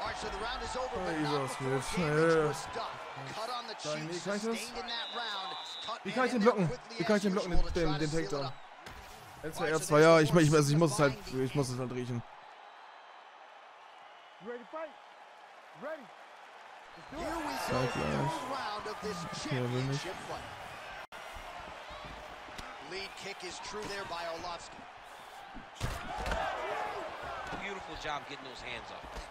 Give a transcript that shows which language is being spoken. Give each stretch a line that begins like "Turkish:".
English: All right, so the round is over, but not before damage was done. Cut on the cheek, sustained in that round.
German: Wie kann ich den blocken? Wie kann ich den blocken, den Takedown? L2R2, ja, ich muss es halt riechen.
English: Ready to fight? Ready. Here we go, the fourth round of this championship fight. Lead kick is true there by Orlovsky. Beautiful job getting those hands up.